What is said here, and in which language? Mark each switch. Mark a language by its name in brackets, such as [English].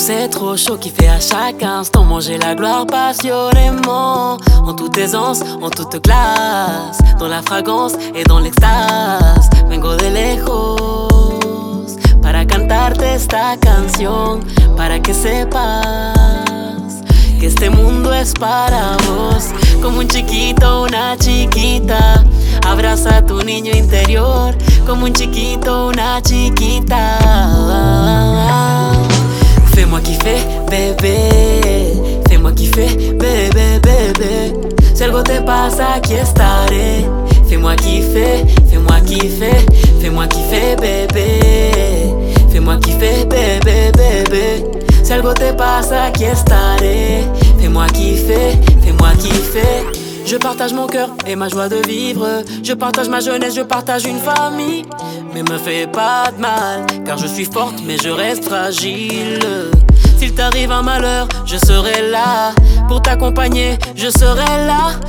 [French] Trop chaud qui fait à chaque instant manger la gloire passionnément. En toute aisance, en toute classe, dans la fragrance et dans l'extase. [Spanish] Vengo de lejos para cantarte esta canción, para que sepas que este mundo es para vos. Como un chiquito, una chiquita, abraza a tu niño interior. Como un chiquito, una chiquita. [French] Fais-moi kiffer, bébé. Fais-moi kiffer, bébé, bébé. [Spanish] Si algo te pasa, aquí estaré. [French] Fais-moi kiffer, fais-moi kiffer. Fais-moi kiffer, bébé. Fais-moi kiffer, bébé, bébé. [Spanish] Si algo te pasa, aquí estaré. [French] Fais-moi kiffer, fais-moi kiffer. Je partage mon cœur et ma joie de vivre. Je partage ma jeunesse, je partage une famille. Mais me fais pas de mal, car je suis forte mais je reste fragile. S'il t'arrive un malheur, je serai là. Pour t'accompagner, je serai là.